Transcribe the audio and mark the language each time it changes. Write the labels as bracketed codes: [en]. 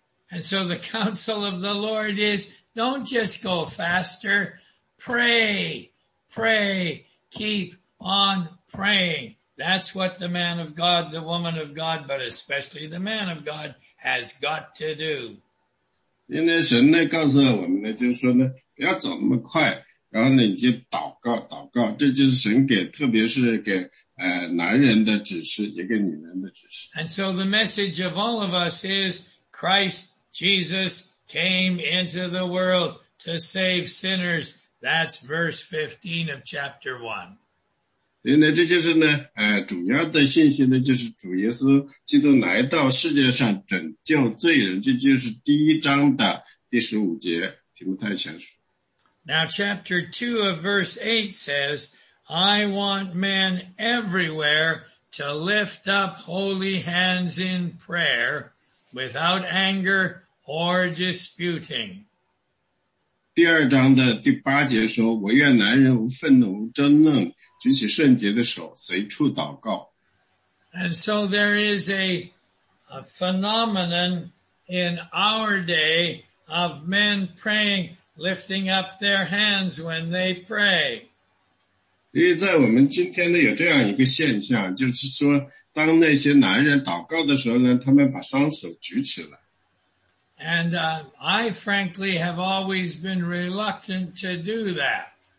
[en] And so the counsel of the Lord is, don't just go faster, pray, pray, keep on praying. That's what the man of God, the woman of God, but especially the man of God has got to do. [zh] 因为神呢告诉我们呢，就是说呢，不要走那么快，然后呢你就祷告，祷告，这就是神给，特别是给男人的指示，也给女人的指示。 [en] And so the message of all of us is Christ Jesus came into the world to save sinners. That's verse 15 of chapter 1. [zh] 所以呢，这就是呢，主要的信息呢，就是主耶稣基督来到世界上拯救罪人，这就是第一章的第15节，提摩太前书。 [en] Now chapter 2 of verse 8 says, I want men everywhere to lift up holy hands in prayer without anger or disputing. [zh] 第二章的第八节说, 我愿男人无愤怒无争论, 举起圣洁的手随处祷告。 [en] And so there is a phenomenon in our day of men praying, lifting up their hands when they pray. [zh] 因为在我们今天呢有这样一个现象, 就是说当那些男人祷告的时候呢, 他们把双手举起来。 [en] And I frankly have always been reluctant to do that.